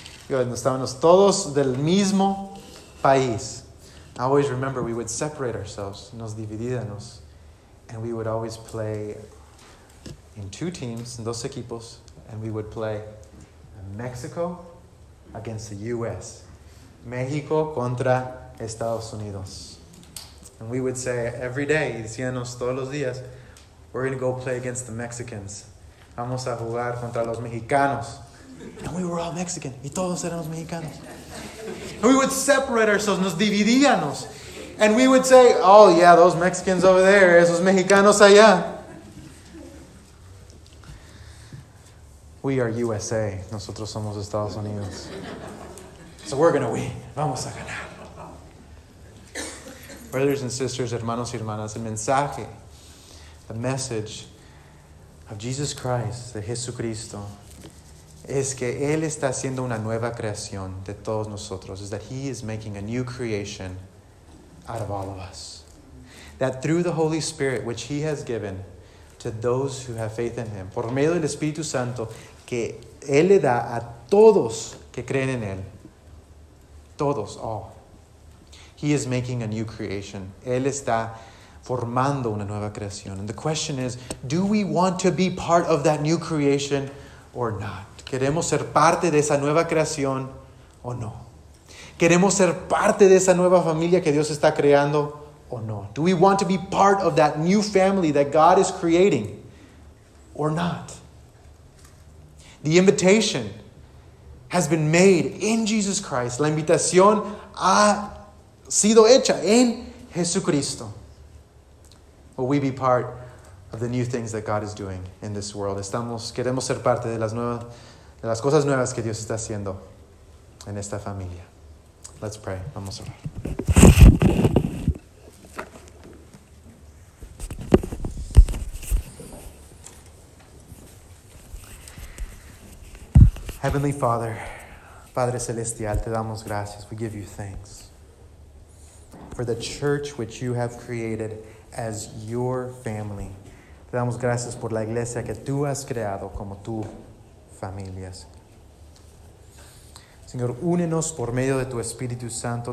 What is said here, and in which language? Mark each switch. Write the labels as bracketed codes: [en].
[es] estábamos todos del mismo país. [en] I always remember we would separate ourselves, [es] nos dividíamos, [en] and we would always play in two teams, [es] en dos equipos, [en] and we would play Mexico against the U.S. [es] México contra Estados Unidos. [en] And we would say every day, [es] decíamos todos los días, [en] we're going to go play against the Mexicans. [es] Vamos a jugar contra los mexicanos. [en] And we were all Mexican. [es] Y todos éramos mexicanos. [en] And we would separate ourselves. [es] Nos dividíamos. [en] And we would say, oh yeah, those Mexicans over there. [es] Esos mexicanos allá. [en] We are USA. [es] Nosotros somos Estados Unidos. [en] So we're going to win. [es] Vamos a ganar. [en] Brothers and sisters, [es] hermanos y hermanas, el mensaje, [en] the message of Jesus Christ, [es] de Jesucristo, es que Él está haciendo una nueva creación de todos nosotros. [en] Is that He is making a new creation out of all of us. That through the Holy Spirit, which He has given to those who have faith in Him, [es] por medio del Espíritu Santo, que Él le da a todos que creen en Él, todos, [en] all, He is making a new creation. [es] Él está formando una nueva creación. [en] And the question is, do we want to be part of that new creation or not? [es] ¿Queremos ser parte de esa nueva creación o no? ¿Queremos ser parte de esa nueva familia que Dios está creando o no? [en] Do we want to be part of that new family that God is creating or not? The invitation has been made in Jesus Christ. [es] La invitación ha sido hecha en Jesucristo. [en] Will we be part of the new things that God is doing in this world? [es] Queremos ser parte de las cosas nuevas que Dios está haciendo en esta familia. [en] Let's pray. [es] Vamos a orar. [en] Heavenly Father, [es] Padre Celestial, te damos gracias. [en] We give you thanks for the church which you have created as your family. [es] Te damos gracias por la iglesia que tú has creado como tu familia. Señor, únenos por medio de tu Espíritu Santo.